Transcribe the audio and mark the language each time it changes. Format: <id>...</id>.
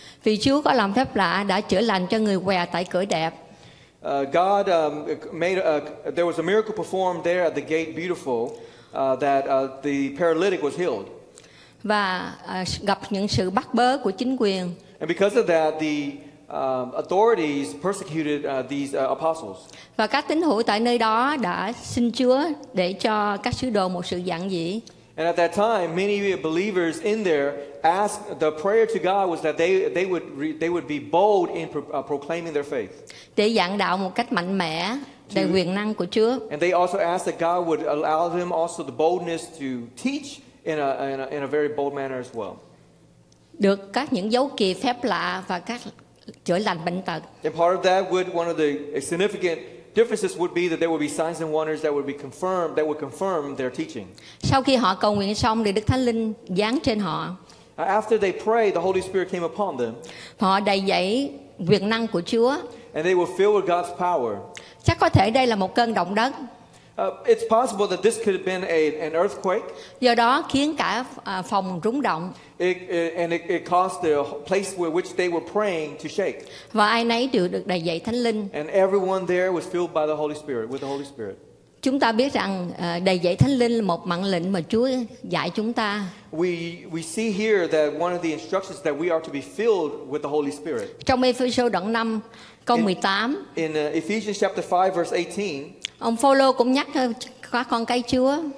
<vi>Vì Chúa có làm phép lạ đã chữa lành cho người què tại cửa đẹp.</vi> <en>God made there was a miracle performed there at the gate beautiful that the paralytic was healed.</en> <vi>Và gặp những sự bắt bớ của chính quyền.</vi> <en>And because of that, the authorities persecuted these apostles.</en> <vi>Và các tín hữu tại nơi đó đã xin Chúa để cho các sứ đồ một sự giản dị.</vi> <en>And at that time, many believers in there asked the prayer to God was that they would be bold in proclaiming their faith.</en> <vi>Để giảng đạo một cách mạnh mẽ, đầy quyền năng của Chúa.</vi> <en>And they also asked that God would allow them also the boldness to teach. In a very bold manner as well.</en> <vi>Được các những dấu kỳ phép lạ và các chữa lành bệnh tật.</vi> <en>And part of that would one of the significant differences would be that there would be signs and wonders that would confirm their teaching.</en> <vi>Sau khi họ cầu nguyện xong thì Đức Thánh Linh giáng trên họ.</vi> <en>After they prayed, the Holy Spirit came upon them.</en> <vi>Họ đầy dẫy quyền năng của Chúa.</vi> <en>And they were filled with God's power.</en> <vi>Chắc có thể đây là một cơn động đất.</vi> <en>It's possible that this could have been an earthquake.</en> <vi>Do đó khiến cả phòng rung động.</vi> <en>It caused the place where which they were praying to shake.</en> <vi>Và ai nấy được đầy dậy Thánh Linh.</vi> <en>And everyone there was filled by the Holy Spirit with the Holy Spirit.</en> <vi>Chúng ta biết rằng đầy dậy Thánh Linh là một mạng lệnh mà Chúa dạy chúng ta.</vi> <en>We see here that one of the instructions that we are to be filled with the Holy Spirit.</en> <vi>Trong Ephesians đoạn 5 câu 18.</vi> <en>In Ephesians chapter 5 verse 18.</en> <vi>Ông Phaolô cũng nhắc có con cái Chúa.</vi>